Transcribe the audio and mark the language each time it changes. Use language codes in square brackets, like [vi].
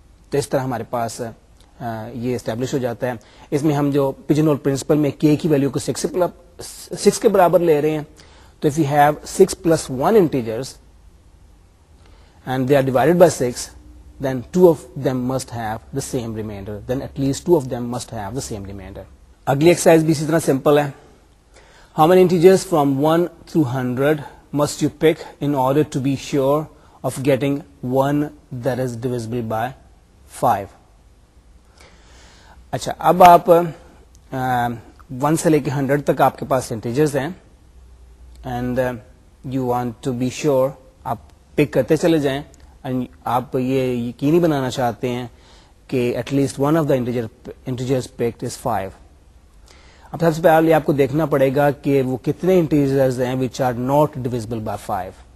[ur] تو اس طرح ہمارے پاس یہ اسٹیبلش ہو جاتا ہے. اس میں ہم جو پیجن ہول پرنسپل میں کے کی ویلو کو 6 کے برابر لے رہے ہیں, تو [en] If you have 6 plus 1 integers and they are divided by 6, then 2 of them must have the same remainder. Then at least 2 of them must have the same remainder. [ur] اگلی ایکسرسائز بھی اسی طرح سمپل ہے. [en] How many integers from 1 through 100 must you pick in order to be sure of getting one that is divisible by 5. [ur] اچھا اب آپ 1 سے لے کے 100 تک آپ کے پاس انٹیجرز ہیں [en] and you want to be sure [ur] آپ پک کرتے چلے جائیں اینڈ آپ یہ یقینی بنانا چاہتے ہیں کہ [en] at least one of the integers picked is [ur] 5. اب سب سے پہلے آپ کو دیکھنا پڑے گا کہ وہ کتنے انٹیجرز ہیں [en] which are not divisible by [ur] 5.